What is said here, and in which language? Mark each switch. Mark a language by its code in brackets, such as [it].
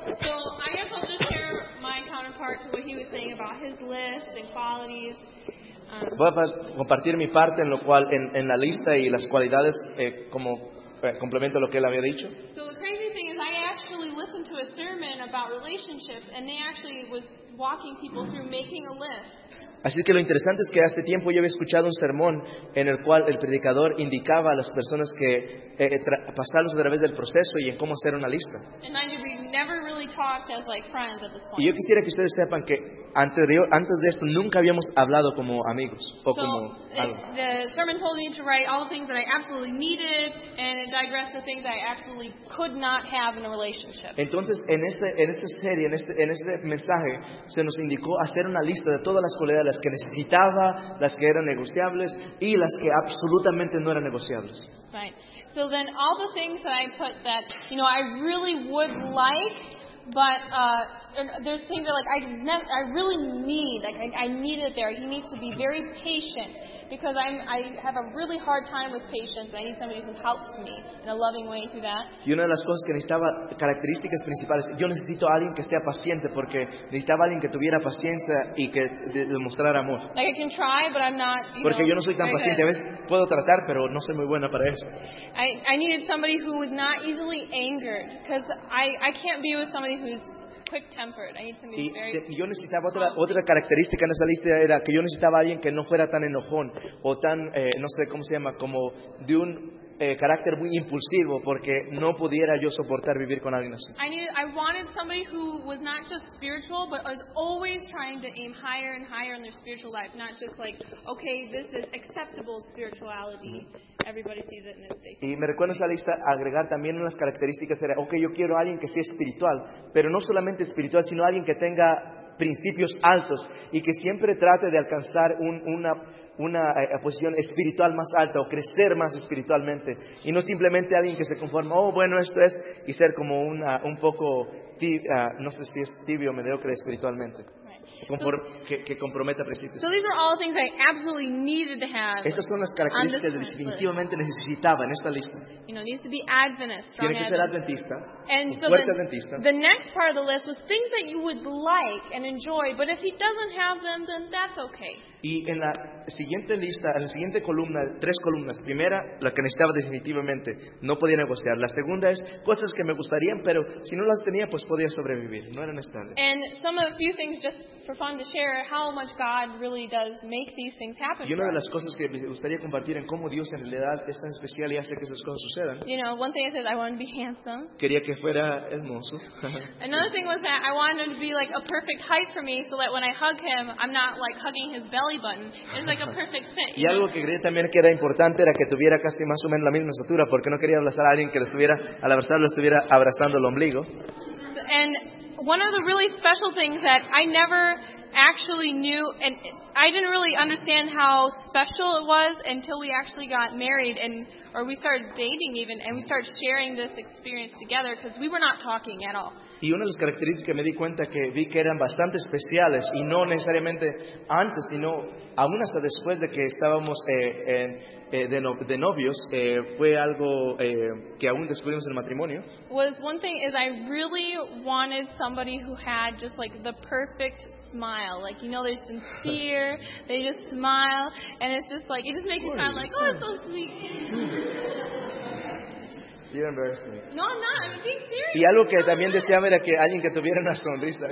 [en] So, I guess I'll just share my counterpart to what he was saying about his list and qualities. [es] Voy a compartir mi parte en lo cual en la lista y las cualidades como complemento a lo que él había dicho. [en] So the crazy thing is I actually listened to a sermon about relationships and they actually was walking people through making a list. [es] Así que lo interesante es que hace tiempo yo había escuchado un sermón en el cual el predicador indicaba a las personas que pasarlos a través del proceso y en cómo hacer una lista. [en] And mind you, we never really talked as like friends at this point. [es] Y yo quisiera que ustedes sepan que antes de esto nunca habíamos hablado como amigos o como algo. [en] The sermon told me to write all the things that I absolutely needed and it digressed to things I absolutely could not have in a relationship. [es] Entonces en esta serie, en este mensaje se nos indicó hacer una lista de todas las cualidades, las que necesitaba, las que eran negociables y las que absolutamente no eran negociables. [en] Right. So then all the things that I put that, you know, I really would like. But there's things that, like, I really need. Like, I need it there. He needs to be very patient because I have a really hard time with patience. I need somebody who helps me in a loving way through that. [es] Y una de las cosas que necesitaba, características principales, yo necesito a alguien que sea paciente porque necesitaba alguien que tuviera paciencia y que demostrara amor. [en] Like, I can try, but I'm not. [es] Porque yo no soy tan paciente. A veces puedo tratar, pero no soy muy buena para eso. [en] I needed somebody who was not easily angered because I can't be with somebody who's quick-tempered. I need somebody very... [es] Yo necesitaba otra característica en esa lista, era que yo necesitaba alguien que no fuera tan enojón o tan, no sé cómo se llama, como de un carácter muy impulsivo porque no pudiera yo soportar vivir con alguien así. [en] I wanted somebody who was not just spiritual, but was always trying to aim higher and higher in their spiritual life, not just like, okay, this is acceptable spirituality. Everybody sees it and it's safe. [es] Y me recuerdo esa lista agregar también unas características era, okay, yo quiero a alguien que sea espiritual, pero no solamente espiritual, sino alguien que tenga principios altos y que siempre trate de alcanzar una posición espiritual más alta o crecer más espiritualmente y no simplemente alguien que se conforma, oh bueno, esto es, y ser como un poco tibio, no sé si es tibio o mediocre espiritualmente. Que comprometa principios. [en] So these are all things I absolutely needed to have. [es] Estas son las características que definitivamente necesitaba en esta lista. [en] You know, needs to be Adventist, strong. [es] Tiene que ser adventista. [en] And so [es] fuerte adventista. [en] The next part of the list was things that you would like and enjoy, but if he doesn't have them, then that's okay. [es] Y en la siguiente lista, en la siguiente columna, tres columnas. Primera, la que necesitaba definitivamente, no podía negociar. La segunda es cosas que me gustarían, pero si no las tenía, pues podía sobrevivir. No eran estables. [en] And some of a few things just for fun to share how much God really does make these things happen. [es] Y una de las cosas que me gustaría compartir en cómo Dios en realidad es tan especial y hace que esas cosas sucedan. [en] You know, one thing I said, I wanted to be handsome. [es] Quería que fuera hermoso. [en] Another thing was that I wanted him to be like a perfect height for me, so that when I hug him, I'm not like hugging his belly button. It's like a perfect fit. [es] Y algo que creía también que era importante era que tuviera casi más o menos la misma estatura, porque no quería abrazar a alguien que al abrazarlo estuviera abrazando el ombligo. [en] And one of the really special things that I never actually knew, and I didn't really understand how special it was until we actually got married, or we started dating even, and we started sharing this experience together, because we were not talking at all. [es] Y una de las características que me di cuenta que vi que eran bastante especiales, y no necesariamente antes, sino aún hasta después de que estábamos de novios, fue algo que aún descubrimos en el matrimonio. [en] Was one thing is I really wanted somebody who had just like the perfect smile. Like, you know, they're sincere, they just smile, and it's just like, it just makes you smile like, oh, it's so sweet. You're embarrassing me. No, I'm not. I'm being serious. [es] Y algo que también deseaba era que alguien que tuviera una sonrisa.